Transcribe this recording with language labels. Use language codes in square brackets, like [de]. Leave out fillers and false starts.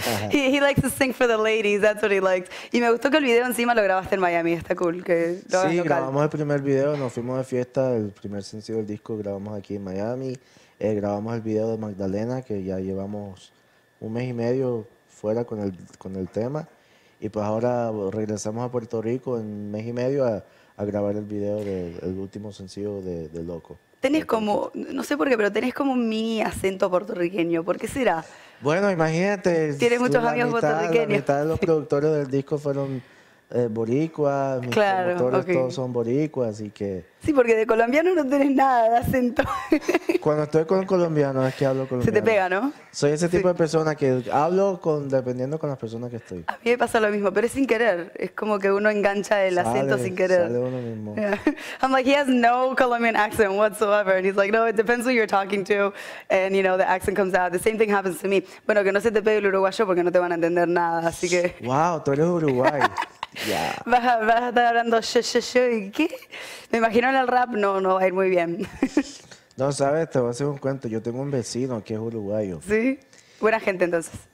[en] he likes to sing for the ladies, that's what he likes. [es] Y me gustó que el video encima lo grabaste en Miami, está cool. Que lo sí, local. Grabamos el primer video, nos fuimos de fiesta, el primer sencillo del disco grabamos aquí en Miami. Grabamos el video de Magdalena, que ya llevamos un mes y medio fuera con el tema. Y pues ahora regresamos a Puerto Rico en un mes y medio a grabar el video del último sencillo de Loco. Tenés como, no sé por qué, pero tenés como un mini acento puertorriqueño. ¿Por qué será? Bueno, imagínate. Tienes muchos amigos puertorriqueños. La mitad de los productores del disco fueron boricuas. Mis productores todos son boricuas, así que... Sí, porque de colombiano no tenés nada de acento. Cuando estoy con un colombiano es que hablo colombiano. Se te pega, ¿no? Soy ese tipo de persona que hablo dependiendo con las personas que estoy. A mí me pasa lo mismo, pero es sin querer. Es como que uno engancha el acento sin querer. Sale uno mismo. [en] Yeah. I'm like, he has no Colombian accent whatsoever. And he's like, no, it depends who you're talking to. And, you know, the accent comes out. The same thing happens to me. [es] Bueno, que no se te pegue el uruguayo porque no te van a entender nada, así que... Wow, tú eres uruguay. Yeah. Vas a estar hablando yo, yo, yo. ¿Y qué? Me imagino en el rap no va a ir muy bien. No, sabes, te voy a hacer un cuento. Yo tengo un vecino que es uruguayo. ¿Sí? Buena gente, entonces.